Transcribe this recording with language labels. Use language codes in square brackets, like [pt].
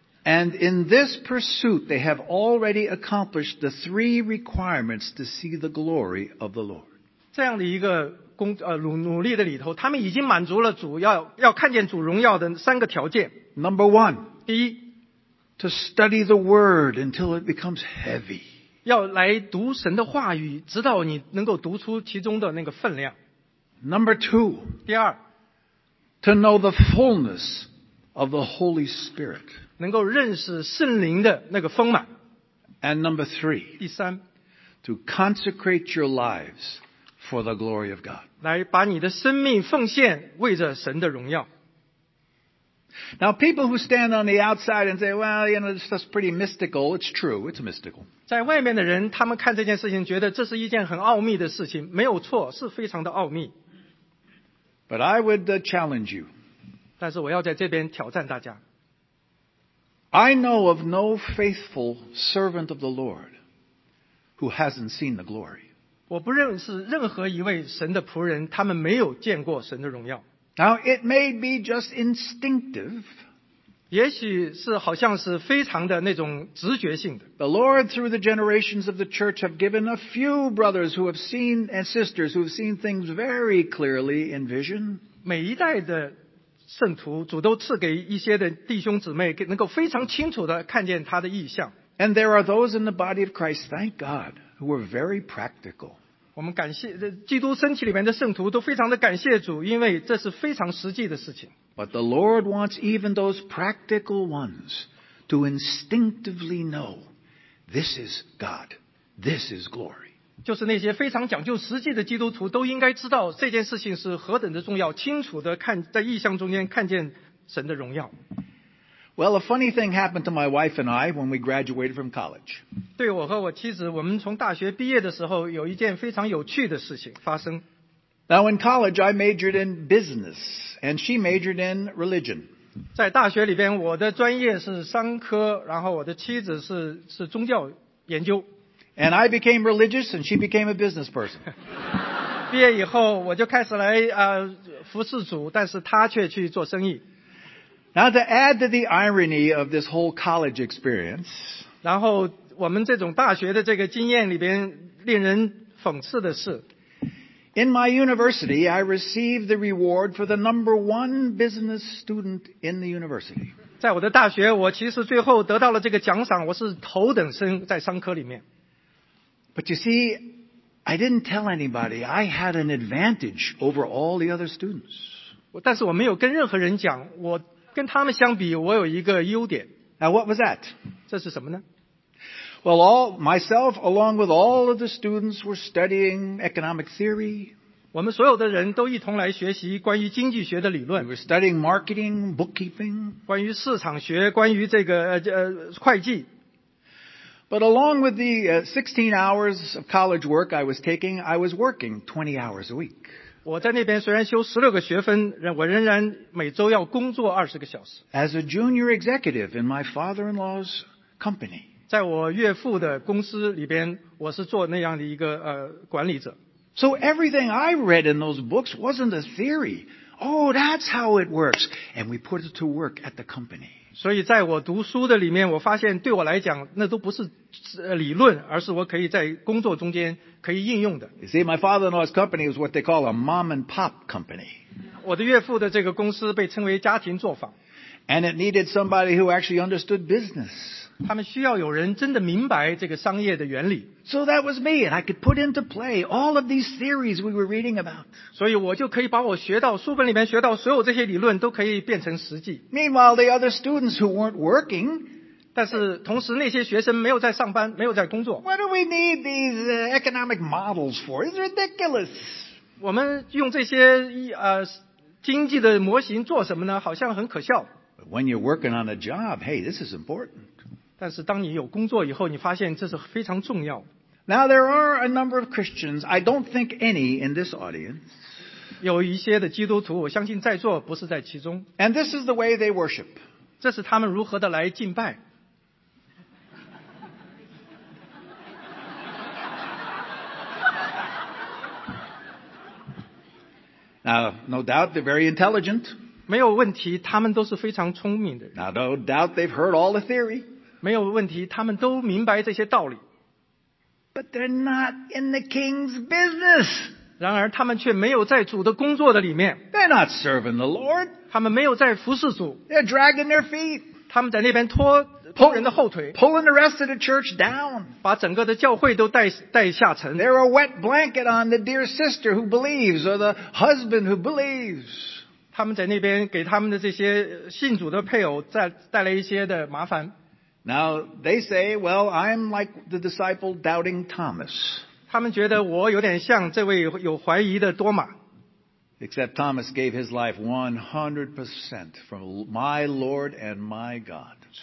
[en] And in this pursuit, they have already accomplished the three requirements to see the glory of the Lord. [zh] 这样的一个努力的里头，他们已经满足了主要看见主荣耀的三个条件。 [en] Number one, [zh] 第一 [en] ，to study the word until it becomes heavy. [zh] 要来读神的话语，直到你能够读出其中的那个分量。 [en] Number two, [zh] 第二 [en] ，to know the fullness of the Holy Spirit. [zh] 能够认识圣灵的那个丰满。 [en] And number three, [zh] 第三 [en] ，to consecrate your lives. For the glory of God. [zh] 来把你的生命奉献为着神的荣耀。 [en] Now people who stand on the outside and say, well, you know, this is pretty mystical. It's true. It's mystical. [zh] 在外面的人，他们看这件事情，觉得这是一件很奥秘的事情，没有错，是非常的奥秘。 [en] But I would challenge you. [zh] 但是我要在这边挑战大家。 [en] I know of no faithful servant of the Lord who hasn't seen the glory. [zh] 我不认识任何一位神的仆人，他们没有见过神的荣耀。 [en] Now it may be just instinctive. [zh] 也许是好像是非常的那种直觉性的。 [en] The Lord through the generations of the church have given a few brothers who have seen and sisters who have seen things very clearly in vision. [zh] 每一代的圣徒，主都赐给一些的弟兄姊妹，能够非常清楚的看见他的异象。 [en] And there are those in the body of Christ, thank God. Who were very practical. [zh] 我们感谢基督身体里面的圣徒都非常的感谢主，因为这是非常实际的事情。 [en] But the Lord wants even those practical ones to instinctively know this is God, this is glory. [zh] 就是那些非常讲究实际的基督徒都应该知道这件事情是何等的重要，清楚的看在异象中间看见神的荣耀。 [en] Well, a funny thing happened to my wife and I when we graduated from college. [zh] 对我和我妻子，我们从大学毕业的时候，有一件非常有趣的事情发生。 [en] Now, in college, I majored in business, and she majored in religion. [zh] 在大学里边，我的专业是商科，然后我的妻子是宗教研究。 [en] And I became religious, and she became a business person. [zh] 毕业以后，我就开始来服侍主，但是她却去做生意。 [en] Now to add to the irony of this whole college experience, [zh] 然后我们这种大学的这个经验里边令人讽刺的是 [en] ，In my university, I received the reward for the number one business student in the university. [zh] 在我的大学，我其实最后得到了这个奖赏，我是头等生在商科里面。 [en] But you see, I didn't tell anybody. I had an advantage over all the other students. [zh] 但是我没有跟任何人讲我。跟他们相比，我有一个优点。 [en] Now what was that? [zh] 这是什么呢 [en] ？Well, all myself along with all of the students were studying economic theory. [zh] 我们所有的人都一同来学习关于经济学的理论。 [en] We were studying marketing, bookkeeping. [zh] 关于市场学，关于这个会计。 [en] But along with the 16 hours of college work I was taking, I was working 20 hours a week. [zh] 我在那边虽然修16个学分，我仍然每周要工作20个小时。 [en] As a junior executive in my father-in-law's company. [zh] 在我岳父的公司里边，我是做那样的一个管理者。 [en] So everything I read in those books wasn't a theory. Oh, that's how it works. And we put it to work at the company. [zh] 所以在我读书的里面，我发现对我来讲，那都不是理论，而是我可以在工作中间可以应用的。 [en] You see, my father-in-law's company was what they call a mom-and-pop company. [zh] 我的岳父的这个公司被称为家庭作坊。 [en] And it needed somebody who actually understood business. [zh] 他们需要有人真的明白这个商业的原理。 [en] So that was me, and I could put into play all of these theories we were reading about. [zh] 所以我就可以把我学到书本里面学到所有这些理论都可以变成实际。 [en] Meanwhile, the other students who weren't working, [zh] 但是同时那些学生没有在上班，没有在工作。 [en] What do we need these economic models for? It's ridiculous. [zh] 我们用这些经济的模型做什么呢？好像很可笑。 [en] When you're working on a job, hey, this is important. [zh] 但是当你有工作以后，你发现这是非常重要。 [en] Now there are a number of Christians, I don't think any in this audience. [zh] 有一些的基督徒，我相信在座不是在其中。 [en] And this is the way they worship. [zh] 这是他们如何的来敬拜。 [en] Now, no doubt they're very intelligent. [zh] 没有问题，他们都是非常聪明的人。 [en] Now, no doubt they've heard all the theory. [zh] 没有问题，他们都明白这些道理。 [en] But they're not in the king's business. [zh] 然而他们却没有在主的工作的里面。 [en] They're not serving the Lord. [zh] 他们没有在服侍主。 [en] They're dragging their feet. [zh] 他们在那边拖人的后腿。 [en] Pulling the rest of the church down. [zh] 把整个的教会都带下沉。 [en] They're a wet blanket on the dear sister who believes or the husband who believes. [zh] 他们在那边给他们的这些信主的配偶带来一些的麻烦。 [en] Now they say, well, I'm like the disciple doubting Thomas. [zh] 他们觉得我有点像这位有怀疑的多马。 [en] Except Thomas gave his life 100% from my Lord and my God.